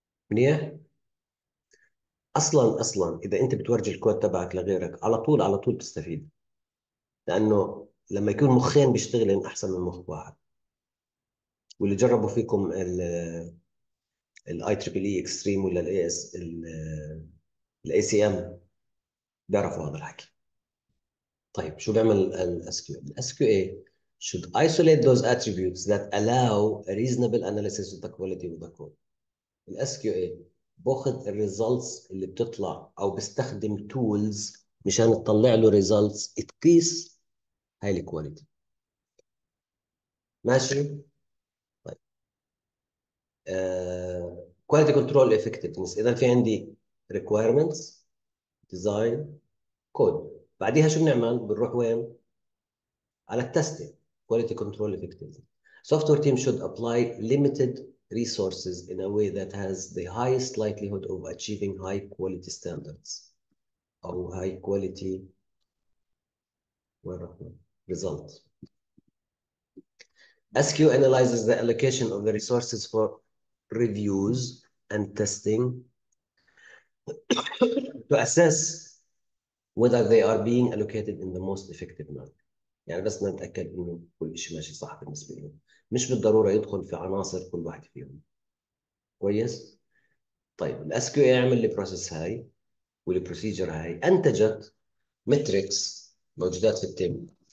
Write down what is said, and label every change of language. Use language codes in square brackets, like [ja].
[ar] منيح؟ اصلا اذا انت بتورجي الكود تبعك لغيرك على طول على طول بتستفيد، لانه لما يكون مخين بيشتغلن احسن من مخ واحد. واللي جربوا فيكم الاي تريبل اي اكستريم ولا الاي اس الاي سي ام بيعرفوا هذا الحكي. طيب شو بيعمل الاس كيو؟ [en] الاس Q A should isolate those attributes that allow a reasonable analysis of the quality of the code. [ar] الاس كيو اي باخذ الريزلتس اللي بتطلع او بيستخدم تولز مشان تطلع له ريزلتس تقيس هاي الكواليتي. ماشي؟ طيب كواليتي كنترول افكتفنس. اذا في عندي ريكويرمنتس ديزاين كود، بعديها شو بنعمل؟ بنروح وين؟ على التستنج. كواليتي كنترول افكتفنس. [en] Software team should apply limited resources in a way that has the highest likelihood of achieving high quality standards or high quality results. SQ analyzes the allocation of the resources for reviews and testing to assess whether they are being allocated in the most effective manner. [ar] يعني بس نتأكد انه كل شيء ماشي صح بالنسبة له، مش بالضرورة يدخل في عناصر كل واحد فيهم. كويس؟ طيب الـ SQA يعمل الـ process هاي والـ procedure هاي، أنتجت metrics موجودات في التيم.